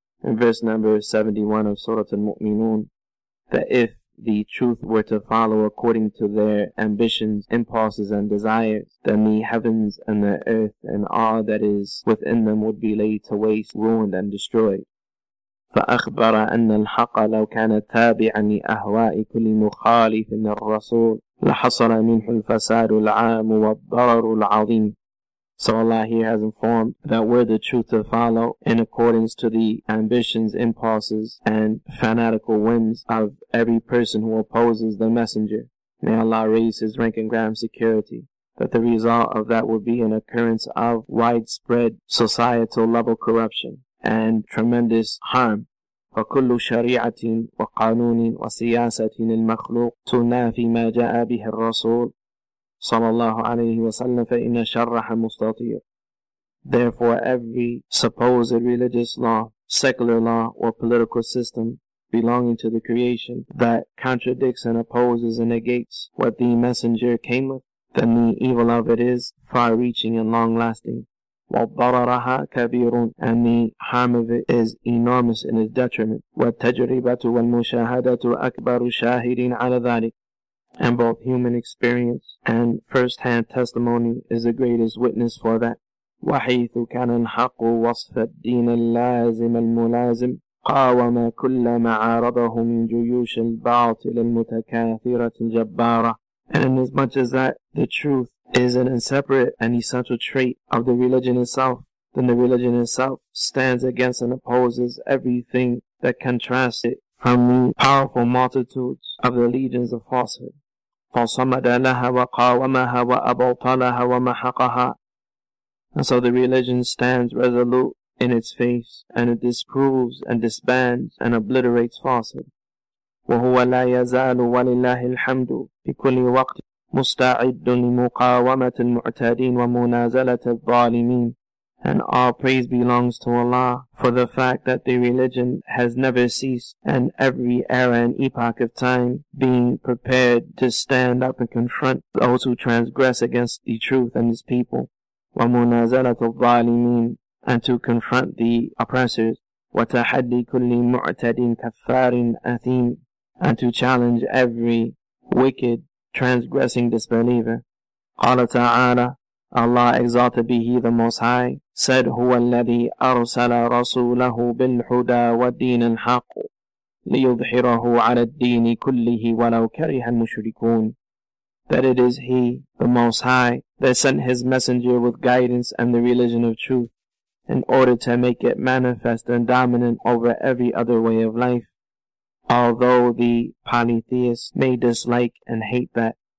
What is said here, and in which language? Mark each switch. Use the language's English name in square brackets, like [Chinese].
[English] In verse number 71 of Surah Al-Mu'minun, that if the truth were to follow according to their ambitions, impulses, and desires, then the heavens and the earth and all that is within them would be laid to waste, ruined, and destroyed. [Arabic] فأخبر أن الحق لو كان تابعا لأهواء كل مخالف للرسول لحصل منه الفساد العام والضرر العظيم. [English] So Allah here has informed that were the truth to follow in accordance to the ambitions, impulses, and fanatical whims of every person who opposes the messenger, may Allah raise his rank and grant security, that the result of that would be an occurrence of widespread societal level corruption and tremendous harm. [Arabic] فكل شريعة وقانون وسياسة المخلوق تنافي ما جاء به الرسول صلى الله عليه وسلم فإن شرح مستطير. [English] Therefore, every supposed religious law, secular law, or political system belonging to the creation that contradicts and opposes and negates what the messenger came with, then the evil of it is far-reaching and long-lasting. [Arabic] والضررها كبير, [English] and the harm of it is enormous in its detriment. [Arabic] والتجربة والمشاهدة أكبر شاهد على ذلك, [English] and both human experience and first-hand testimony is the greatest witness for that. [Arabic] وحيث كان الحق وصف الدين اللازم الملازم قاوم كل ما عارضه من جيوش الباطل المتكاثرة الجبارة. [English] And inasmuch as that the truth is an inseparate and essential trait of the religion itself, then the religion itself stands against and opposes everything that contrasts it from the powerful multitudes of the legions of falsehood. [Arabic] فَصَمَدَ لَهَا وَقَاوَمَهَا وَأَبَوْطَلَهَا وَمَحَقَهَا. [English] And so the religion stands resolute in its face, and it disproves and disbands and obliterates falsehood. [Arabic] وَهُوَ لَا يَزَالُ وَلِلَّهِ الْحَمْدُ فِي كُلِّ وَقْتٍ مستعد لمقاومة المعتدين ومنازلة الظالمين. [English] And all praise belongs to Allah for the fact that the religion has never ceased, and every era and epoch of time being prepared to stand up and confront those who transgress against the truth and his people. [Arabic] ومنازلة الظالمين [English] and to confront the oppressors [Arabic] وتحدي كل معتد كفار أثيم [English] and to challenge every wicked transgressing disbeliever. [Arabic] قال تعالى [English] Allah exalted be He the Most High said [Arabic] هو الذي أرسل رسوله بالهدى والدين الحق ليظهره على الدين كله ولو كره المشركون. [English] That it is He, the Most High, that sent His messenger with guidance and the religion of truth in order to make it manifest and dominant over every other way of life, although the polytheists may dislike and hate that.